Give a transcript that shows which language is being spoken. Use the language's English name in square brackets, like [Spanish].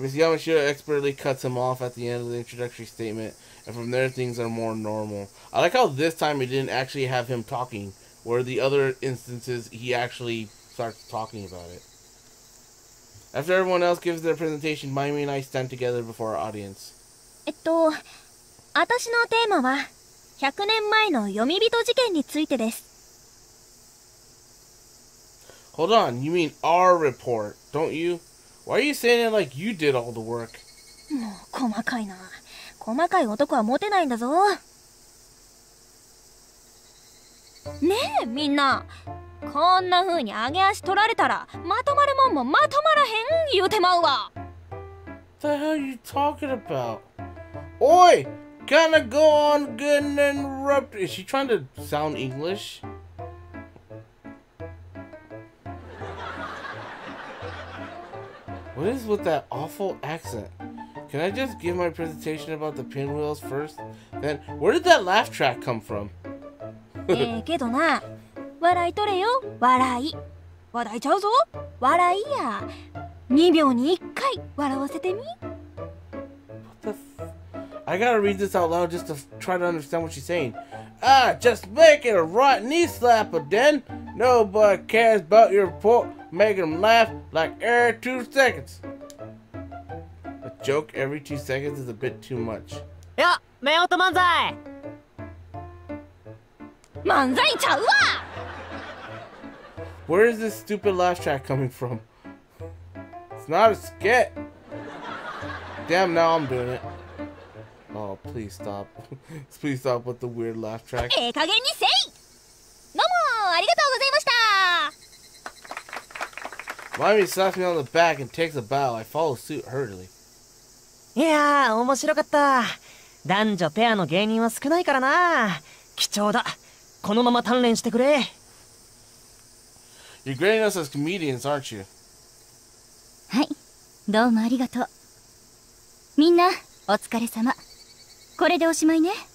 [English] Miss Yamashita expertly cuts him off at the end of the introductory statement, and from there things are more normal. I like how this time it didn't actually have him talking, where the other instances he actually starts talking about it. After everyone else gives their presentation, Maimi and I stand together before our audience. [Japanese] 私のテーマは100年前のヨミビト事件についてです。 [English] Hold on, you mean our report, don't you? Why are you saying it like you did all the work? [Japanese] もう細かいな。細かい男はモテないんだぞ。ねえ、みんな。こんな風に上げ足取られたら、まとまるもんもまとまらへん言うてまうわ。 [English] What the hell are you talking about? Oi! Kinda go on getting interrupted. Is she trying to sound English? What is with that awful accent? Can I just give my presentation about the pinwheels first? Then, where did that laugh track come from? [Japanese] けどな、笑い取れよ、笑い。笑いちゃうぞ、笑いや。2秒に1回笑わせてみ。 [English] What the f- I gotta read this out loud just to try to understand what she's saying. Ah, just make it a right knee slapper then. Nobody cares about your report. Make them laugh like every 2 seconds. A joke every 2 seconds is a bit too much. [Japanese] Yo, 目音漫才! 漫才ちゃうわ! [English] Where is this stupid laugh track coming from? It's not a skit. Damn, now I'm doing it. Oh, please stop. Please stop with the weird laugh track. [Japanese] ええ加減にせい! どうも、ありがとうございました! [English] Maimi slaps me on the back and takes a bow. I follow suit hurriedly. [Japanese] いやー、面白かった。男女ペアの芸人は少ないからな。貴重だ。このまま鍛錬してくれ。 [English] You're grading us as comedians, aren't you? [Japanese] はい。どうもありがとう。みんな、お疲れ様。これでおしまいね。